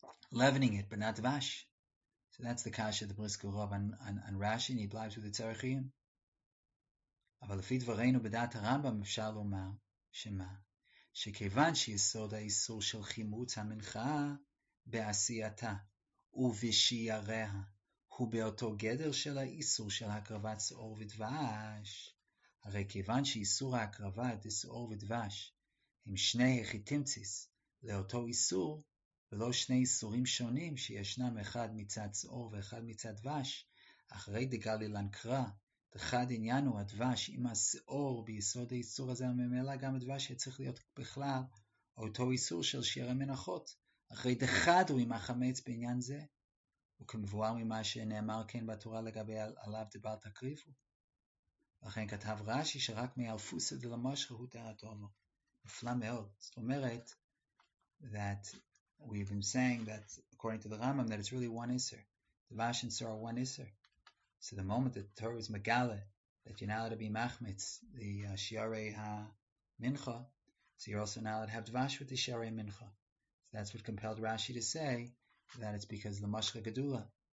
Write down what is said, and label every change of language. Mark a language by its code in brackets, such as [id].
[en] leavening it, but not dvash. So that's the kasha, the Briske Rov on Rashi, and he blabs with the Tzarechim. [he] אבל לפי דברינו בדעת הרמב״ם אפשר לומר שמה? שכיוון שיסוד האיסור של חימוץ המנחה בעשייתה ובשיעריה הוא באותו גדר של האיסור של הקרבת שעור ודבש, הרי כיוון שאיסור ההקרבה את שעור ודבש הם שני החיטימציס לאותו איסור, ולא שני איסורים שונים שישנם אחד מצד צהור ואחד מצד דבש, אחרי דגלילן קרא, דחד עניין הוא הדבש עם השעור ביסוד האיסור הזה הממלא גם הדבש שצריך להיות בכלל, אותו איסור של שיערי מנחות, אחרי דחד הוא עם החמץ בעניין זה, וכמבואר ממה שנאמר כן בתורה לגבי עליו דבר תקריבו. לכן כתב רשי שרק מאלפוסא דלמשחא הוא דעתו, נפלא מאוד. זאת אומרת, that [en] We've been saying that, according to the Rambam, that it's really one Isser. The Vash and Sar are one Isser. So the moment the Torah is Megale, that you're now allowed to be Machmitz, the Shiarei HaMincha, so you're also now allowed to have Dvash with the Shiarei HaMincha. So that's what compelled Rashi to say that it's because of the Mashka Gedula.